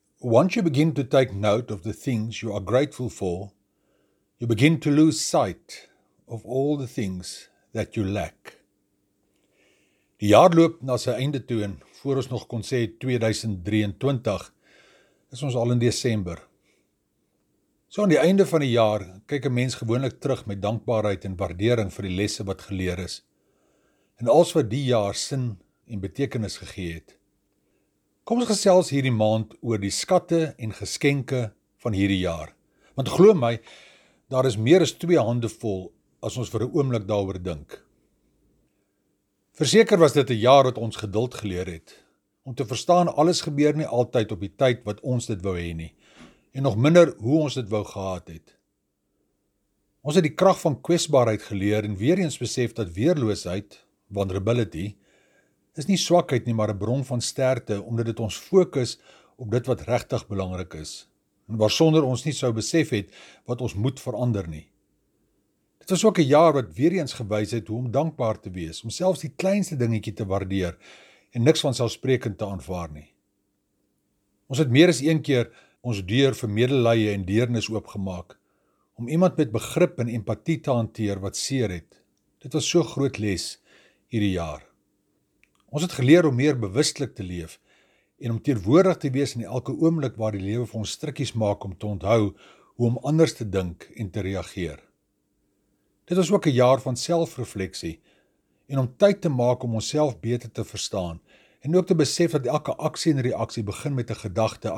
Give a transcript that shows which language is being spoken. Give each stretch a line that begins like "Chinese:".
English: Once you begin to take note of the things you are grateful for, you begin to lose sight of all the things that you lack."
Afrikaans: Die jaar loop na sy einde toe en voor ons nog kon sê 2023, is ons al in Desember. So aan die einde van die jaar kyk 'n mens gewoonlik terug met dankbaarheid en waardering vir die lesse wat geleer is en alles wat die jaar sin en betekenis gegee het. Kom ons gesels hierdie maand oor die skatte en geskenke van hierdie jaar. Want glo my, daar is meer as twee hande vol as ons vir 'n oomblik daaroor dink. Verseker was dit 'n jaar wat ons geduld geleer het, om te verstaan alles gebeur nie altyd op die tyd wat ons dit wou hê nie, en nog minder hoe ons dit wou gehad het. Ons het die krag van kwesbaarheid geleer en weer eens besef dat weerloosheid, vulnerability, is nie swakheid nie, maar 'n bron van sterkte, omdat dit ons fokus op dit wat regtig belangrik is, en waarsonder ons nie sou besef het wat ons moet verander nie. Dit was ook 'n jaar wat weer eens gewys het hoe om dankbaar te wees, om selfs die kleinste dingetjie te waardeer, en niks vanselfsprekend te aanvaar nie. Ons het meer as een keer ons deur vir medelee en deernis oopgemaak, om iemand met begrip en empatie te hanteer wat seer het. Dit was so 'n groot les hierdie jaar. Ons het geleer om meer bewustelik te leef, en om teenwoordig te wees in elke oomblik waar die lewe vir ons strikkies maak, om te onthou hoe om anders te dink en te reageer. Dit was ook 'n jaar van selfrefleksie, en om tyd te maak om onsself beter te verstaan en ook te besef dat elke aksie en reaksie begin met 'n gedagte.